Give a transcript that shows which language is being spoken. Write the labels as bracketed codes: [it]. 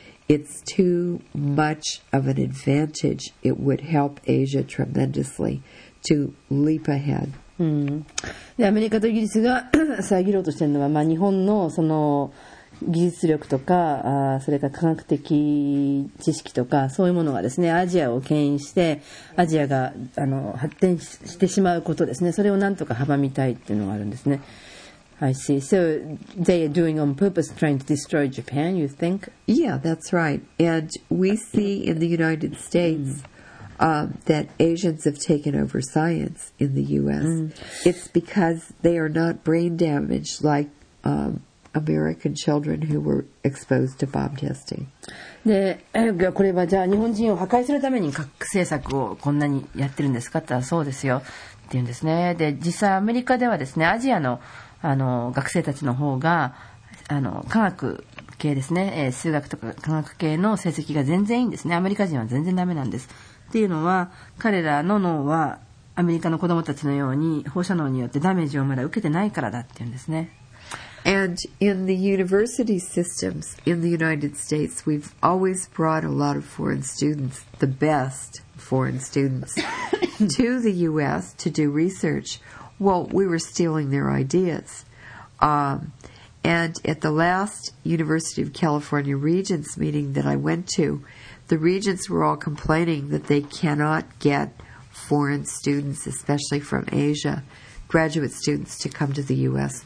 [en] It's too much of an advantage. It would help Asia tremendously to leap ahead. [ja] で、アメリカとイギリスが遮ろうとしているのは、まあ、日本のその技術力とか、それから科学的知識とか、そういうものがですね、アジアを牽引して、アジアが、発展してしまうことですね。それをなんとか阻みたいっていうのがあるんですね。 [en] I see. So, they are doing on purpose trying to destroy Japan, you think? Yeah, that's right. And we see in the United States, that Asians have taken over science in the US. It's because they are not brain damaged like, American children who were exposed to bomb testing. [ja] で、これはじゃあ日本人を破壊するために核政策をこんなにやってるんですかって言ったらそうですよっていうんですね。で、実際アメリカではですね、アジア の, 学生たちの方が科学系ですね、数学とか科学系の成績が全然いいんですね。アメリカ人は全然ダメなんです。っていうのは彼らの脳はアメリカの子どもたちのように放射能によってダメージをまだ受けてないからだっていうんですね。 [en] And in the university systems in the United States, we've always brought a lot of foreign students, the best foreign students, to the U.S. to do research. Well, we were stealing their ideas. And at the last University of California Regents meeting that I went to, the regents were all complaining that they cannot get foreign students, especially from Asia, graduate students, to come to the U.S.